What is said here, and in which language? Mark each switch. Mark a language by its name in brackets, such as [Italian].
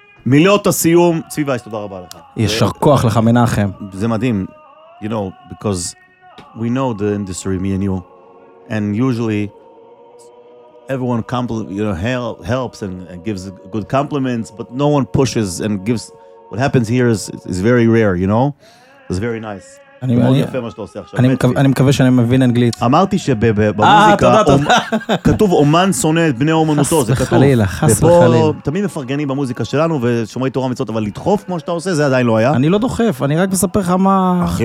[Hebrew] מילות הסיום, צבי וייס, תודה רבה לך. ישר כוח לך, מנחם. זה מדהים. [English] You know, because we know the industry, me and you, and usually everyone helps and gives good compliments, but no one pushes and gives... What happens here is very rare, you know? It's very nice. [Hebrew] אני מאוד יפה מה שאתה עושה עכשיו. אני מקווה שאני מבין אנגלית. אמרתי שבמוזיקה כתוב אומן שונא את בני אומנותו, זה כתוב. חס וחלילה, חס וחלילה. ופה תמיד מפרגנים במוזיקה שלנו ושומרי תורה מצוות, אבל לדחוף כמו שאתה עושה, זה עדיין לא היה. אני לא דוחף, אני רק מספר לך מה...